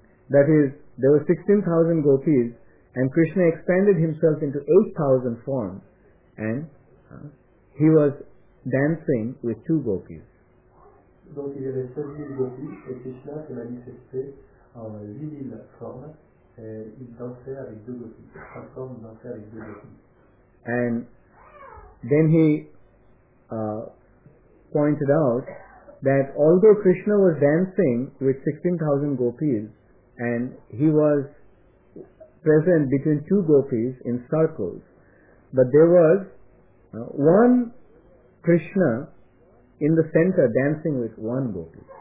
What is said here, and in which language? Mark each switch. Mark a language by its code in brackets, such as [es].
[en] That is, there were 16,000 gopis and Krishna expanded himself into 8,000 forms and he was dancing with two gopis. [fr] Donc il y avait 16,000 gopis et Krishna s'est manifesté en 8,000 formes et il dansait avec deux gopis. Trois formes dansaient avec deux gopis. [en] And then he pointed out that although Krishna was dancing with 16,000 gopis and he was present between two gopis in circles, but there was one Krishna in the center dancing with one gopi.